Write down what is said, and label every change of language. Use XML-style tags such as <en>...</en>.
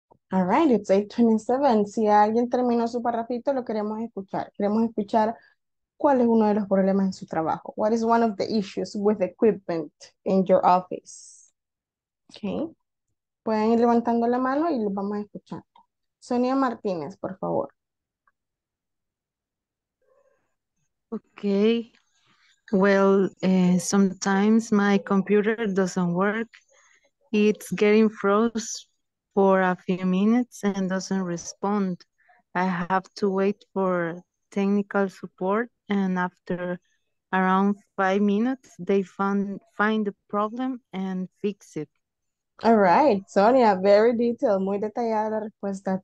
<en>All right, it's 8:27.</en> <es>Si alguien terminó su parrafito, lo queremos escuchar. Queremos escuchar cuál es uno de los problemas en su trabajo.</es> <en>What is one of the issues with equipment in your office? Okay.</en> <es>Pueden ir levantando la mano y los vamos a escuchar. Sonia Martínez, por favor.</es> <en>Okay. Well, sometimes my computer doesn't work. It's getting froze for a few minutes and doesn't respond. I have to wait for technical support, and after around 5 minutes, they find the problem and fix it. All right, Sonia, very detailed,</en> <es>muy detallada la respuesta.</es>